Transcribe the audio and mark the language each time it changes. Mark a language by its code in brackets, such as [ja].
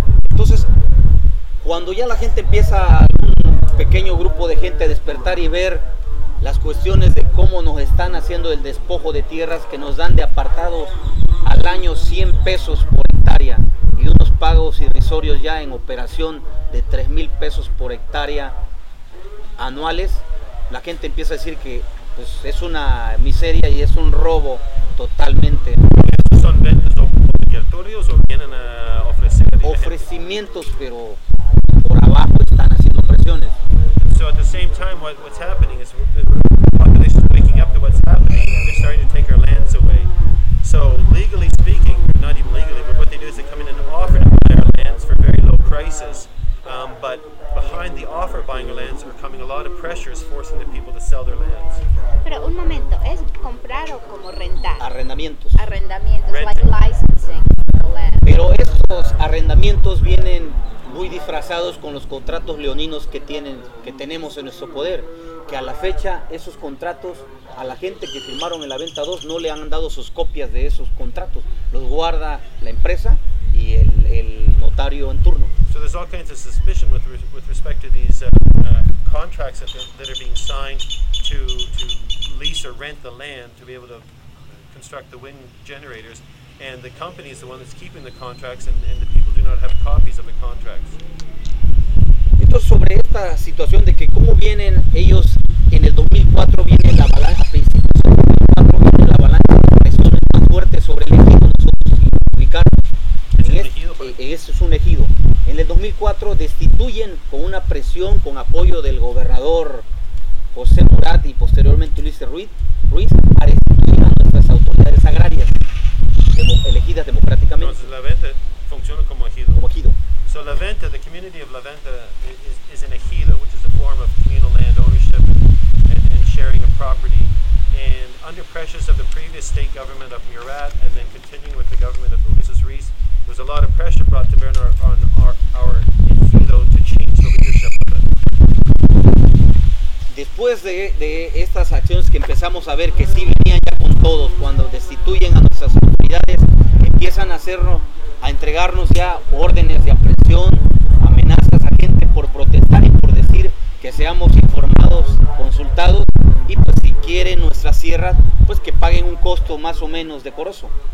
[es] Entonces, cuando ya la gente empieza, un pequeño grupo de gente, a despertar y ver las cuestiones de cómo nos están haciendo el despojo de tierras, que nos dan de apartados al año 100 pesos por hectárea y unos pagos irrisorios ya en operación de 3,000 pesos por hectárea anuales, la gente empieza a decir que pues, es una miseria y es un robo totalmente. ¿Estos son ventas obligatorios o vienen a ofrecer a ofrecimientos, gente? Pero por abajo están haciendo presiones. [en] So at the same time, what's happening is the population is waking up to what's happening and they're starting to take our lands away. So legally speaking, not even legally, but what they do is they come in and offer to buy our lands for very low prices. But behind the offer of buying our lands are coming a lot of pressures forcing the people to sell their lands. [es] Pero un momento, ¿es comprar o como rentar? Arrendamientos. [en] Arrendamientos, renting. Like licensing the land. [es] Pero estos arrendamientos vienen muy disfrazados con los contratos leoninos que tenemos en nuestro poder, que a la fecha esos contratos a la gente que firmaron en la venta 2 no le han dado sus copias de esos contratos, los guarda la empresa y el notario en turno. [en] So there's all kinds of suspicion with respect to these contracts that are being signed to lease or rent the land to be able to construct the wind generators, and the company is the one that's keeping the contracts and the people do not have copies of the contracts. [es] Entonces, sobre esta situación de que cómo vienen ellos en el 2004 viene la avalancha principal. En el 2004 viene la avalancha resuelve más fuerte sobre el ejido. Nosotros ubicamos. Eso es un ejido. En el 2004 destituyen con una presión, con apoyo del gobernador José Murat y posteriormente Ulises Ruiz, a destituir a nuestras autoridades agrarias elegidas democráticamente. Entonces La Venta funciona como ejido. Como ejido. [en] So La Venta, the community of La Venta is an ejido, which is a form of communal land ownership and sharing of property. And under pressures of the previous state government of Murat and then continuing with the government of Ulises Ruiz, there was a lot of pressure brought to bear on our ejido to change the leadership of it. [es] Después de estas acciones que empezamos a ver que sí venían ya con todos, cuando destituyen a nuestras autoridades, empiezan a entregarnos ya órdenes de aprehensión, amenazas a gente por protestar y por decir que seamos informados, consultados, y pues si quieren nuestras sierras, pues que paguen un costo más o menos decoroso.